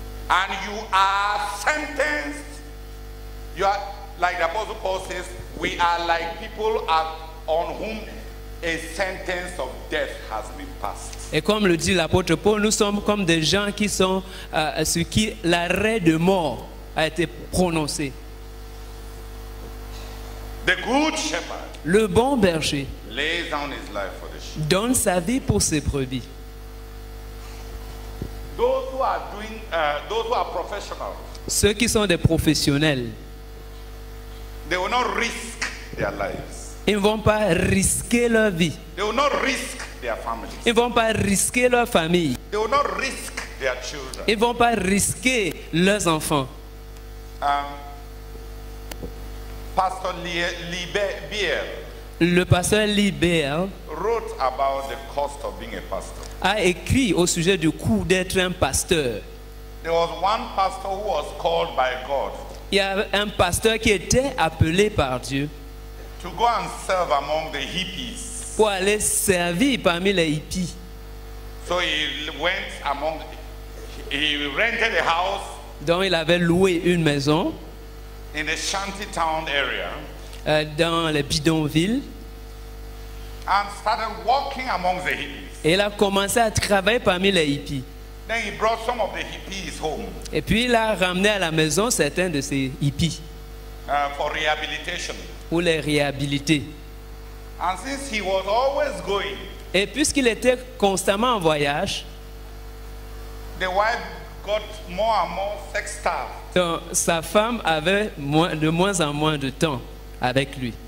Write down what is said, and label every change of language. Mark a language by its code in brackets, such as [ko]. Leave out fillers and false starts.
[en] And you are sentenced, you are like the Apostle Paul says, we are like people on whom a sentence of death has been passed. [fr] Et comme le dit l'apôtre Paul, nous sommes comme des gens qui sont ceux qui l'arrêt de mort a été prononcé. [en] The good shepherd, [fr] le bon berger, [en] lays down his life for the sheep, [fr] donne sa vie pour ses brebis. [en] Those who are doing, those who are professional, [fr] ceux qui sont des professionnels, [en] they will not risk their lives. [fr] Ils ne vont pas risquer leur vie. [en] They will not risk their families. [fr] Ils ne vont pas risquer leur famille. [en] They will not risk their children. [fr] Ils ne vont pas risquer leurs enfants. [en] Pastor Lieber, [fr] le pasteur Lieber [en] wrote about the cost of being a pastor. [fr] A écrit au sujet du coût d'être un pasteur. [en] There was one pastor who was called by God. [fr] Il y a un pasteur qui était appelé par Dieu. [en] To go and serve among the hippies. [fr] Pour aller servir parmi les hippies. [en] So he went among, he rented a house. [fr] Donc il avait loué une maison. [en] In a shanty town area. [fr] Dans les bidonvilles. [en] And started walking among the hippies. [fr] Et il a commencé à travailler parmi les hippies. [en] Then he brought some of the hippies home. [fr] Et puis il a ramené à la maison certains de ces hippies. [en] For rehabilitation. [fr] Pour les réhabiliter. [en] And since he was always going, [fr] et puisqu'il était constamment en voyage, [en] the wife got more and more sex staff. [fr] Donc, sa femme avait de moins en moins de temps avec lui.